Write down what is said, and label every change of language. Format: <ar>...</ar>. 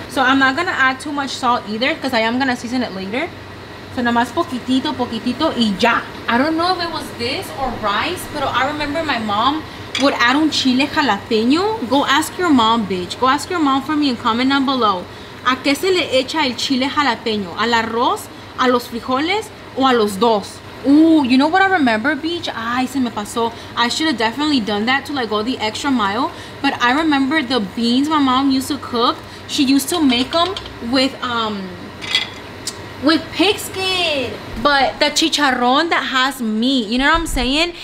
<en>So I'm not gonna add too much salt either, because I am gonna season it later. So</en> <es>nada más poquitito, poquitito y ya.</es> <en>I don't know if it was this or rice, but I remember my mom would add</en> <es>un chile jalapeño.</es> <en>Go ask your mom, bitch. Go ask your mom for me and comment down below.</en> <es>¿A qué se le echa el chile jalapeño? ¿Al arroz, a los frijoles, o a los dos?</es> <en>Ooh, you know what I remember, Beach?</en> <es>Ay, se me pasó.</es> <en>I should have definitely done that to, like, go the extra mile. But I remember the beans my mom used to cook. She used to make them with pigskin. But the chicharrón that has meat, you know what I'm saying?</en>